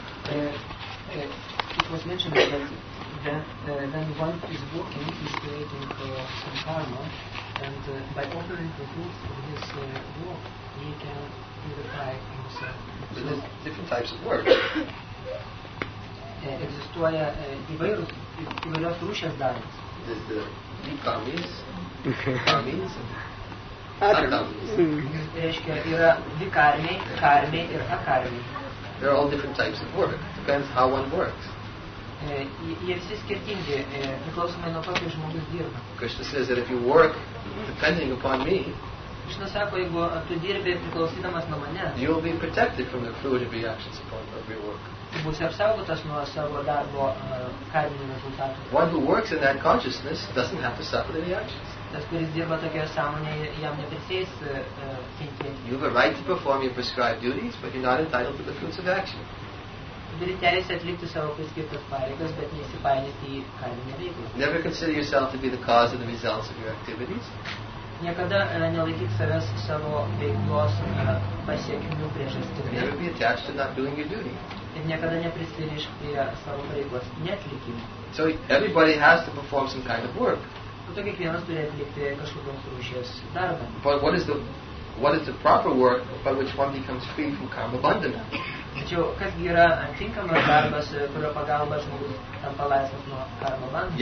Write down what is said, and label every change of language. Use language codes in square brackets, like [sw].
[en] It was mentioned that when one is walking, he's creating some karma, and by offering the food for his walk, he can purify himself. So there's different types of work. [lt] Egzistuoja įvairios rūšės dalys. [en] There's the vikamis, karmis, akarmis. [lt] Reiškia, yra vikarmiai, karmiai ir akarmiai. [en] There are all different types of work. Depends how one works. [lt] Jie visi skirtingi, priklausomai nuo to, kaip žmogus dirba. [en] Krishna says that if you work depending upon me, [lt] Krishna sako, jeigu tu dirbi priklausydamas nuo manęs, [en] you will be protected from the fluid of reactions upon of your work. [lt] Tu būsi apsaugotas nuo savo darbo karminių rezultatų. [en] One who works in that consciousness doesn't have to suffer the reactions. [lt] Tas, kuris dirba tokioje sąmonėje, jam neprisės kentėti. [en] You have a right to perform your prescribed duties, but you're not entitled to the fruits of action. [lt] Turi teisę atlikti savo priskirtas pareigas, bet nesipainioti į karminę veiklą. [en] Never consider yourself to be the cause of the results of your activities. [lt] Niekada nelaikyk savęs savo veiklos pasiekimų priežastimi. [en] Never be attached to not doing your duty. [lt] Ir niekada neprisirišk prie savo pareigos neatlikimo. [en] So everybody has to perform some kind of work. [lt] Tu kiekvienas turi atlikti kažkokios rūšies darbą. [en] But what is the proper work by which one becomes free from karma bandhana? [lt] Tačiau, kas yra tinkamas darbas, kurio pagalba žmogus tampa laisvas nuo karma bandhana?